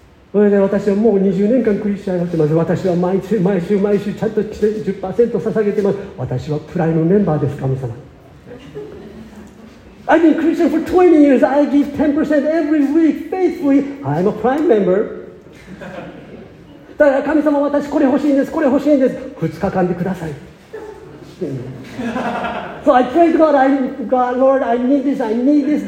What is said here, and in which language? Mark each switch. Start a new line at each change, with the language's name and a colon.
Japanese: それで私はもう20年間クリスチャンになってます。私は毎週毎週毎週ちゃんと 10% 捧げてます。私はプライムメンバーです神様。
English: I've been Christian for 20 years. I give 10% every week faithfully. I'm a prime member.
Japanese: だから神様私これ欲しいんです、これ欲しいんです、2日間でください。
English: So I pray to God, God, Lord, I need this, I need this.